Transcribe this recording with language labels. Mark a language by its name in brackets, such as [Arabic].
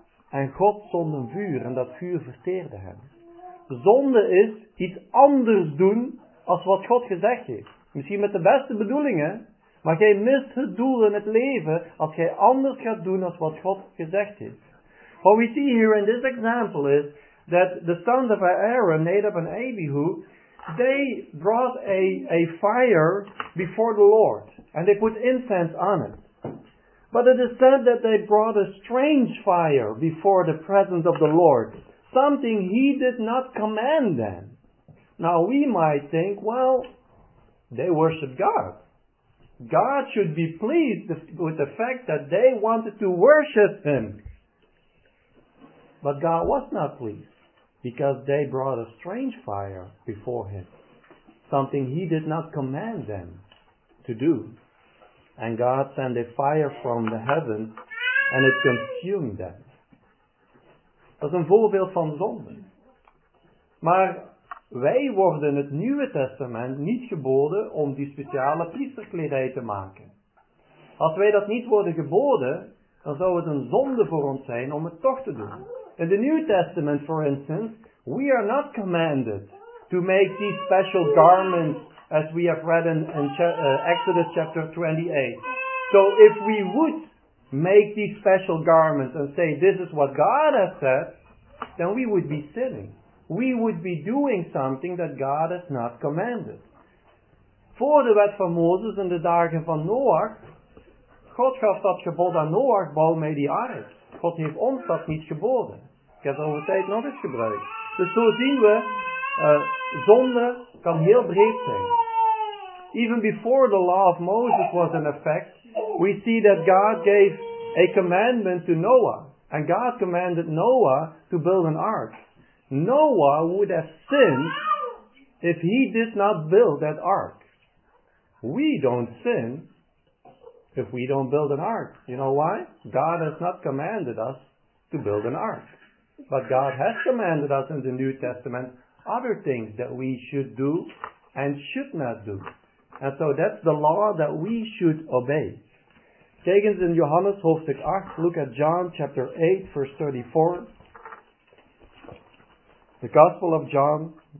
[Dutch] En God zond een vuur en dat vuur verteerde hen. Zonde is iets anders doen als wat God gezegd heeft. Misschien met de beste bedoelingen, maar jij mist het doel in het leven als jij anders gaat doen als wat God gezegd heeft. [English] What we see here in this example is that the sons of Aaron, Nadab and Abihu, they brought a fire before the Lord and they put incense on it. But it is said that they brought a strange fire before the presence of the Lord, something he did not command them. Now we might think, well, they worship God. God should be pleased with the fact that they wanted to worship him. But God was not pleased because they brought a strange fire before him, something he did not command them to do. And God sent a fire from the heavens and it consumed them. [Dutch] Dat is een voorbeeld van zonde. Maar wij worden het Nieuwe Testament niet geboden om die speciale priesterkledij te maken. Als wij dat niet worden geboden, dan zou het een zonde voor ons zijn om het toch te doen. [English] In the New Testament, for instance, we are not commanded to make these special garments as we have read in Exodus chapter 28. So if we would make these special garments and say this is what God has said, then we would be sinning. We would be doing something that God has not commanded. [Dutch] Voor de wet van Mozes in de dagen van Noach, God gaf dat gebod aan Noach, bouw mij die ark. God heeft ons dat niet geboden. Ik heb over tijd nog eens gebruikt. Dus zo zien we, zonde kan heel breed zijn. [English] Even before the law of Moses was in effect, we see that God gave a commandment to Noah. And God commanded Noah to build an ark. Noah would have sinned if he did not build that ark. We don't sin if we don't build an ark. You know why? God has not commanded us to build an ark. But God has commanded us in the New Testament other things that we should do and should not do. And so that's the law that we should obey. [Dutch] Kijk eens in Johannes hoofdstuk 8. [English] Look at John chapter 8 verse 34. The Gospel of John.